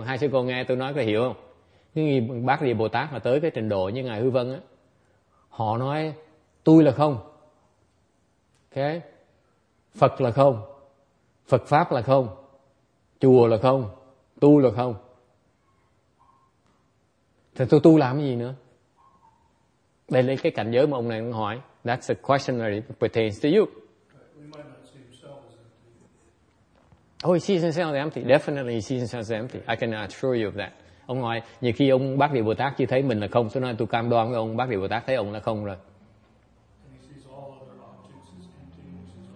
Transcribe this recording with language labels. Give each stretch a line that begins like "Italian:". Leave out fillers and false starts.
Vietnamese: Hai sư cô nghe tôi nói có hiểu không? Cái bác địa Bồ Tát mà tới cái trình độ như Ngài Hư Vân á, họ nói tôi là không. Okay. Phật là không. Phật Pháp là không. Chùa là không. Tu là không. Thì tôi tu làm cái gì nữa? Đây là cái cảnh giới mà ông này cũng hỏi.
English: That's a question that pertains to you. He might not see himself as empty. Oh, he sees himself as empty. Definitely he sees himself as empty. I can assure you of that.
Vietnamese: Ông hỏi, nhiều khi ông bác địa Bồ Tát chỉ thấy mình là không. Tôi nói tôi cam đoan với ông bác địa Bồ Tát thấy ông là không rồi.
English: He sees all other objects as empty.